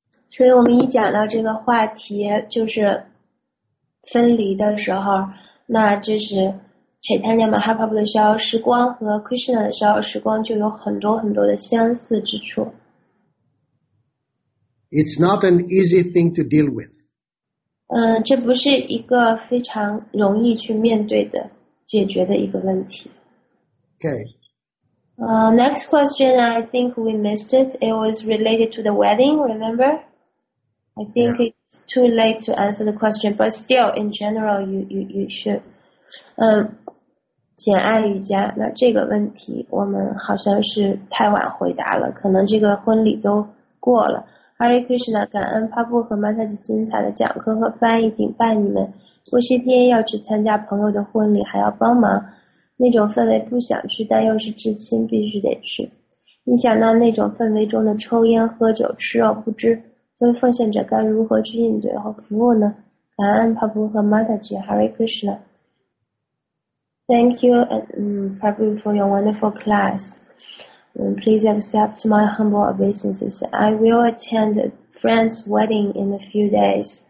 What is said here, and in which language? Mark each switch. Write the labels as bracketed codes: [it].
[zh] 所以我们一讲到这个话题，就是分离的时候，那就是 Chaitanya Mahaprabhu 的逍遥时光和 Krishna 的逍遥时光就有很多很多的相似之处。 [en] It's not an easy thing to deal with. [zh] 嗯，这不是一个非常容易去面对的解决的一个问题。 [en] Okay. Next question. I think we missed it. It was related to the wedding. Remember? I think yeah. It's too late to answer the question, but still, in general, you should. [zh] 简爱瑜伽，那这个问题我们好像是太晚回答了，可能这个婚礼都过了。 Hare Krishna， 感恩帕布和曼塔吉精彩的讲课和翻译，顶拜你们。我星期天要去参加朋友的婚礼，还要帮忙，那种氛围不想去，但又是至亲，必须得去。你想到那种氛围中的抽烟、喝酒、吃肉，不知为奉献者该如何去应对和服务呢？感恩帕布和玛塔吉 ，Hare Krishna。 [en] Thank you and Prabhu for your wonderful class. Please accept my humble obeisances. I will attend a friend's wedding in a few days.